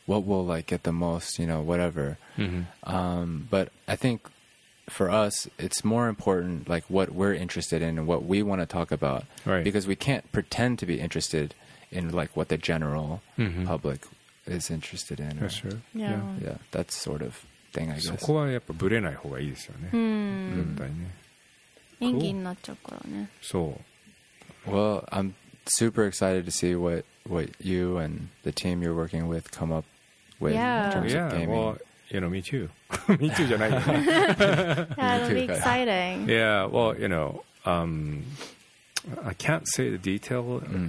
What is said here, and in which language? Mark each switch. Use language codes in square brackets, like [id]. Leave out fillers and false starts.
[en] What will like get the most, you know, whatever. But I think for us, it's more important, like what we're interested in and what we want to talk about, right? Because we can't pretend to be interested in like what the general public is interested in. That's true. Yeah. That sort of thing, I guess. [ja] そこはやっぱブレない方がいいですよね。絶対ね。人気になっちゃうからね。そう。 [en] Well, I'm super excited to see what you and the team you're working with come up with in terms of gaming. Well, you know, me too. Me too [ja] じゃない。 [en] That'll be exciting. Yeah, well, you know, I can't say the detail.